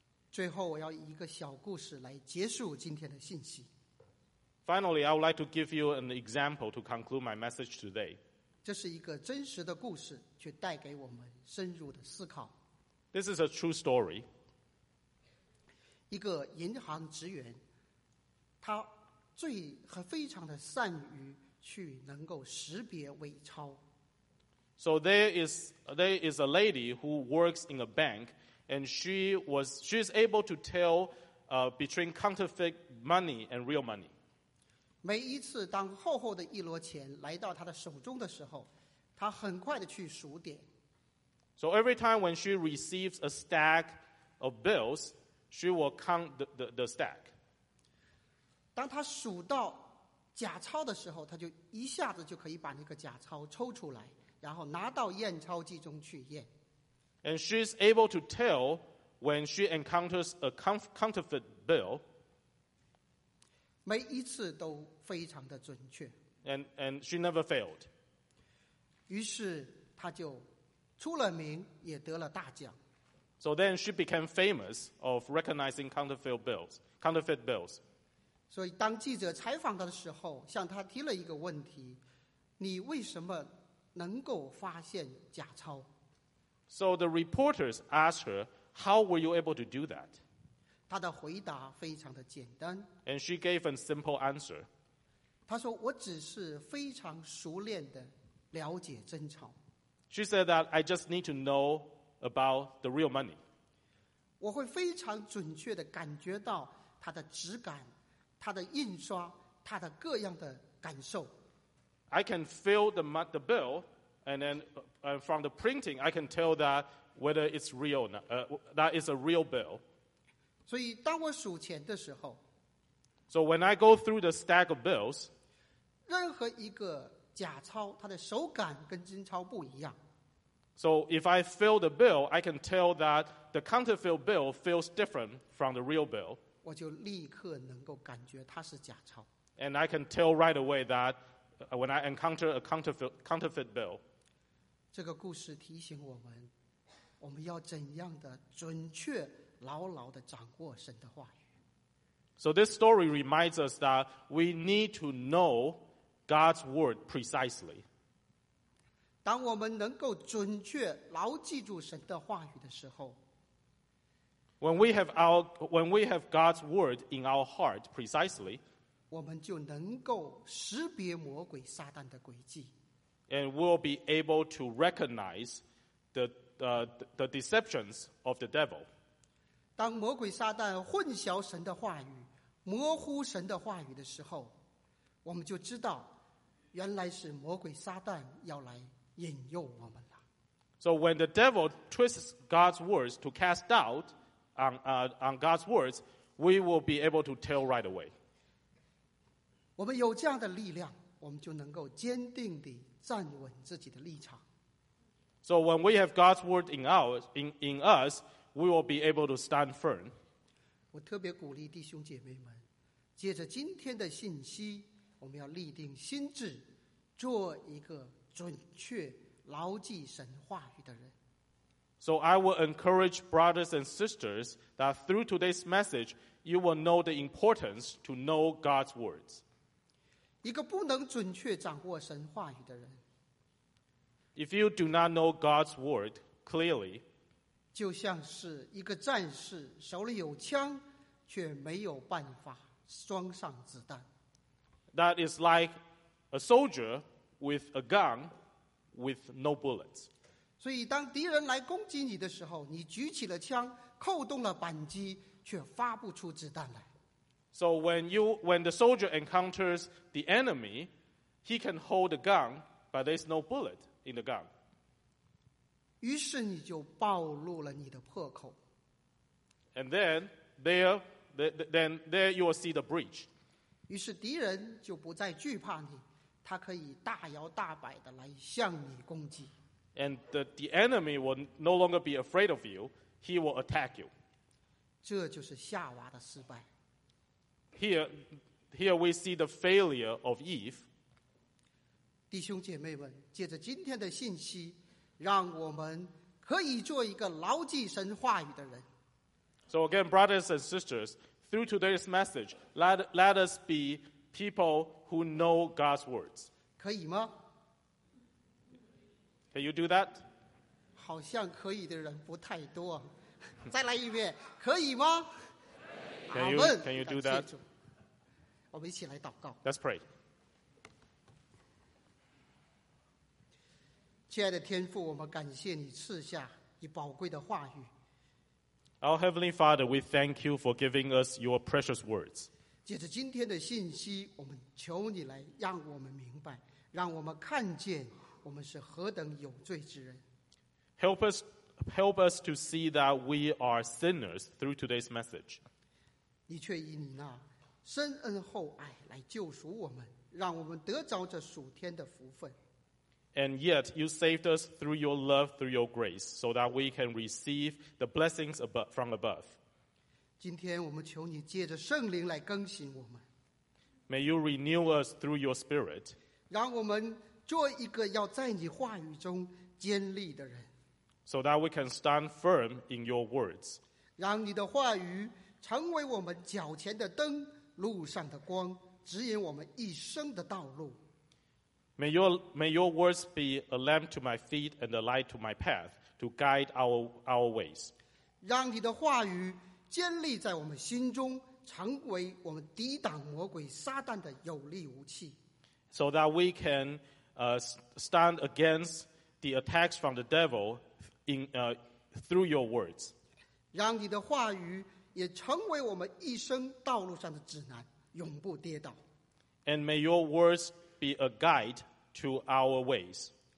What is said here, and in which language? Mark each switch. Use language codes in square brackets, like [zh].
[zh] 最后，我要以一个小故事来结束今天的信息。 [en] Finally, I would like to give you an example to conclude my message today. [zh] 这是一个真实的故事，却带给我们深入的思考。 [en] This is a true story. [zh] 一个银行职员，他最和非常的善于去能够识别伪钞。 [en] So there is a lady who works in a bank, and she's able to tell between counterfeit money and real money. [zh] 每一次当厚厚的一摞钱来到她的手中的时候，她很快的去数点。 [en] So every time when she receives a stack of bills, she will count the stack. [zh] 当她数到假钞的时候，她就一下子就可以把那个假钞抽出来，然后拿到验钞机中去验。 [en] And she's able to tell when she encounters a counterfeit bill. [zh] 每一次都非常的准确。 [en] And she never failed. [zh] 于是她就出了名，也得了大奖。 [en] So then she became famous of recognizing counterfeit bills. [zh] 所以当记者采访她的时候，向她提了一个问题：你为什么能够发现假钞？ [en] So the reporters asked her, "How were you able to do that?" [zh] 她的回答非常的简单。 [en] And she gave a simple answer. [zh] 她说：“我只是非常熟练的了解真钞。” [en] She said that I just need to know about the real money. [zh] 我会非常准确地感觉到它的质感，它的印刷，它的各样的感受。 [en] I can feel the bill, and then from the printing, I can tell that whether it's real, that is a real bill. [zh] 所以当我数钱的时候， [en] So when I go through the stack of bills, [zh] 任何一个假钞它的手感跟真钞不一样。 [en] So if I feel the bill, I can tell that the counterfeit bill feels different from the real bill. [zh] 我就立刻能够感觉它是假钞。 [en] And I can tell right away that when I encounter a counterfeit bill. [zh] 这个故事提醒我们，我们要怎样的准确牢牢地掌握神的话语。 [en] So this story reminds us that we need to knowGod's word precisely. [zh] 当我们能够准确牢记住神的话语的时候， [en] when we have God's word in our heart precisely, [zh] 我们就能够识别魔鬼撒旦的诡计， [en] and we'll be able to recognize the deceptions of the devil. [zh] 当魔鬼撒旦混淆神的话语，模糊神的话语的时候，我们就知道原来是魔鬼撒旦要来引诱我们了。 [en] So when the devil twists God's words to cast doubt on God's words, we will be able to tell right away. [zh] 我们有这样的力量，我们就能够坚定地站稳自己的立场。 [en] So when we have God's word in us, we will be able to stand firm. [zh] 我特别鼓励弟兄姐妹们，借着今天的信息，我们要立定心智，做一个准确牢记神话语的人。 [en] So I will encourage brothers and sisters that through today's message, you will know the importance to know God's words. [zh] 一个不能准确掌握神话语的人， [en] If you do not know God's word clearly, [zh] 就像是一个战士手里有枪，却没有办法装上子弹。 [en] That is like a soldier with a gun with no bullets. [zh] 所以当敌人来攻击你的时候，你举起了枪，扣动了扳机，却发不出子弹来。 [en] So when the soldier encounters the enemy, he can hold the gun, but there's no bullet in the gun. [zh] 于是你就暴露了你的破口。 [en] And then there you will see the breach. [zh] 于是敌人就不再惧怕你，他可以大摇大摆地来向你攻击。 [en] And the enemy will no longer be afraid of you. He will attack you. [zh] 这就是夏娃的失败。 [en] Here we see the failure of Eve. [zh] 弟兄姐妹们，借着今天的信息，让我们可以做一个牢记神话语的人。 [en] So again, brothers and sisters, through today's message, let us be people who know God's words. [zh] 可以吗？ [en] Can you do that? [zh] 好像可以的人不太多。再来一遍，可以吗？ [en] 阿门。Can you do that? [zh] 我们一起来祷告。 [en] Let's pray. [zh] 亲爱的天父，我们感谢你赐下你宝贵的话语。 [en] Our Heavenly Father, we thank you for giving us your precious words. [zh] 借着今天的信息，我们求你来让我们明白，让我们看见我们是何等有罪之人。 [en] Help us to see that we are sinners through today's message. [zh] 你却以你那深恩厚爱来救赎我们，让我们得着这属天的福分。 [en] And yet you saved us through your love, through your grace, so that we can receive the blessings from above. [zh] 今天我们求你借着圣灵来更新我们。 [en] May you renew us through your spirit. [zh] 让我们做一个要在你话语中坚立的人。 [en] So that we can stand firm in your words. [zh] 让你的话语成为我们脚前的灯，路上的光，指引我们一生的道路。 [en] May your words be a lamp to my feet and a light to my path to guide our ways. [zh] 让你的话语坚立在我们心中，成为我们抵挡魔鬼撒旦的有力武器。 [en] So that we canstand against the attacks from the devil through your words. [zh] 让你的话语也成为我们一生道路上的指南，永不跌倒。 [en] And may your words be a guide to our ways.